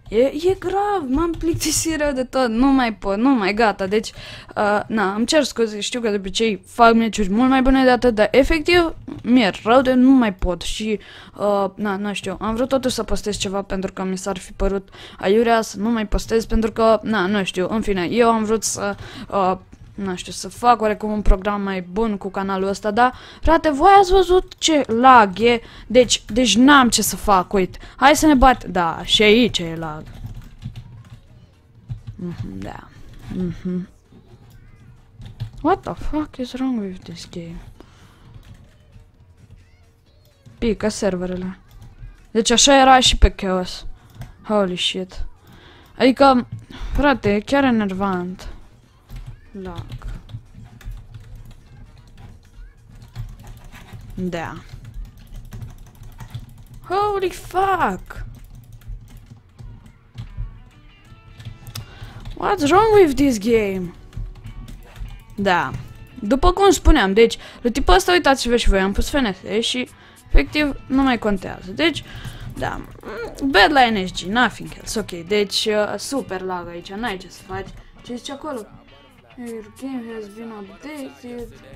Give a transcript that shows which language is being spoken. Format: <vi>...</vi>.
<ro>E grav, m-am plictisit rău de tot, nu mai pot, nu mai gata, deci, na, îmi cer scuze, știu că de obicei fac meciuri mult mai bune de atât, dar efectiv, mi-e rău de nu mai pot și, na, nu știu, am vrut totuși să postez ceva pentru că mi s-ar fi părut aiurea să nu mai postez pentru că, na, nu știu, în fine, eu am vrut să, nu știu, să fac oarecum un program mai bun cu canalul ăsta, dar, frate, voi ați văzut ce lag e, deci n-am ce să fac, uite, hai să ne bat, da, și aici e lag. Mhm, da, mhm.</ro> <en>What the fuck is wrong with this game?</en> <ro>Pică serverele. Deci așa era și pe Chaos.</ro> <en>Holy shit.</en> <ro>Adică, frate, e chiar enervant. Lag. Da.</ro> <en>Holy fuck! What's wrong with this game?</en> <ro>Da. După cum spuneam, deci, la tipul ăsta uitați-vă și voi, am pus FNS și efectiv nu mai contează. Deci, da. Bad la NSG,</ro> <en>nothing else.</en> <ro>Ok, deci super lag aici, n-ai ce să faci. Ce zici acolo?</ro> <en>Your game has been updated.</en>